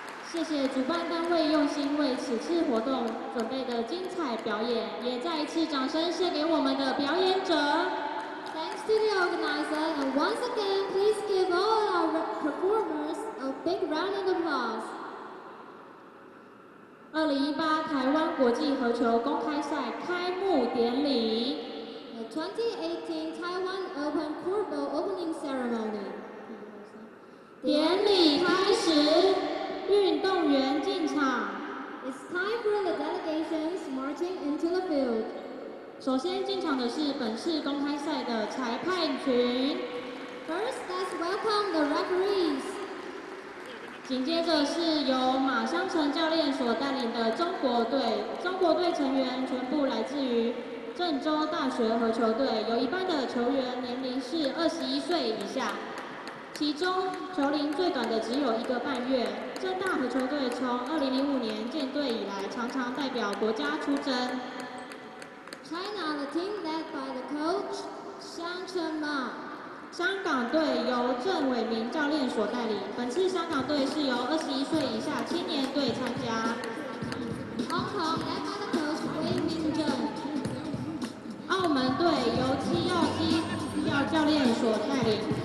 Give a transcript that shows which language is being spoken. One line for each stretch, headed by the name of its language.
Chinese: 谢谢主办单位用心为此次活动准备的精彩表演，也再一次掌声献给我们的表演者。
English: Thanks to the organizer, and once again, please give all our performers a big round of applause.
Chinese: 2018台湾国际合球公开赛开幕典礼。
English: The 2018 Taiwan Open Courtball Opening Ceremony.
Chinese: 典礼开始。运动员进场。
English: It's time for the delegations marching into the field.
Chinese: 首先进场的是本次公开赛的裁判群。
English: First, let's welcome the referees.
Chinese: 紧接着是由马湘成教练所带领的中国队。中国队成员全部来自于郑州大学合球队，有一半的球员年龄是21岁以下。其中球龄最短的只有一个半月，政大合球队从2005年建队以来，常常代表国家出征。
English: China, the team led by the coach 香橙马。
Chinese: 香港队由郑伟明教练所带领，本次香港队是由21岁以下青年队参加。
English: Hong Kong led by the coach Wei Mingzhen。
Chinese: 澳门队由戚耀基教练所带领。